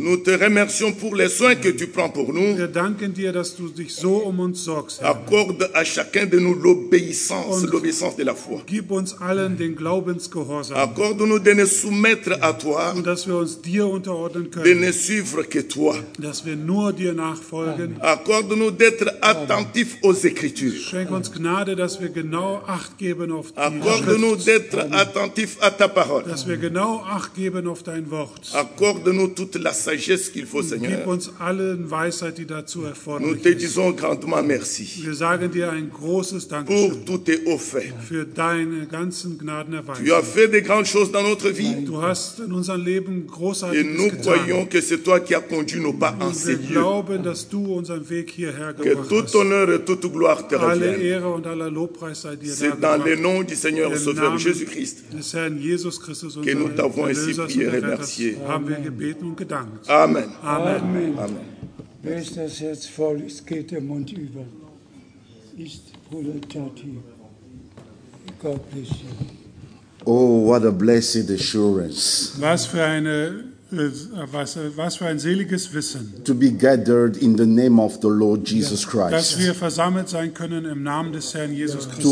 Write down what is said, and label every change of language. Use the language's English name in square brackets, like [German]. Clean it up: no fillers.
[French] Nous te remercions pour les soins que tu prends pour nous. [German] Wir danken dir, dass du dich so um uns sorgst. [French] Accorde à chacun de nous l'obéissance, l'obéissance de la foi. [German] Gib uns allen den Glaubensgehorsam. [French] Accorde-nous de nous soumettre à toi. [German] Und dass wir uns dir unterordnen können. [French] De ne suivre que toi. [German] Dass wir nur dir nachfolgen. [French] Accorde-nous d'être attentif aux Écritures. [German] Schenk uns Gnade, dass wir genau Acht geben auf die [French] Accorde-nous d'être attentif à ta parole. [German] Dass wir genau Acht geben auf dein Wort. [French] Accorde-nous toute la sagesse qu'il faut, Seigneur. [German] Gib uns alle Weisheit, die dazu erforderlich [French] Nous te disons grandement merci. [German] Wir sagen dir ein großes Dankeschön. [French] Pour tout tes hauts faits. [German] Für deine ganzen Gnadenerweisungen. [French] Tu as fait des grandes choses dans notre vie. [German] Du hast in unserem Leben großartiges getan. [French] Et nous croyons que c'est toi qui as conduit nos pas en ces lieux. [German] Wir glauben, dass du unseren Weg hierher gebracht hast. [French] Que toute honneur et toute gloire te [German] revienne. Alle Ehre und aller Lobpreis sei dir. [French] C'est dans le nom du Seigneur Sauveur Jésus-Christ que nous t'avons ainsi prié et remercié. Amen. Amen. Amen. Amen. [German] Wer ist das Herz voll, ist geht der Mund über. Ist Bruder Tati. [English] God bless you. Oh, what a blessed assurance. [German] Was für eine was für ein seliges Wissen. [English] To be gathered in the name of the Lord Jesus Christ. [German] Dass wir versammelt sein können im Namen des Herrn Jesus Christus.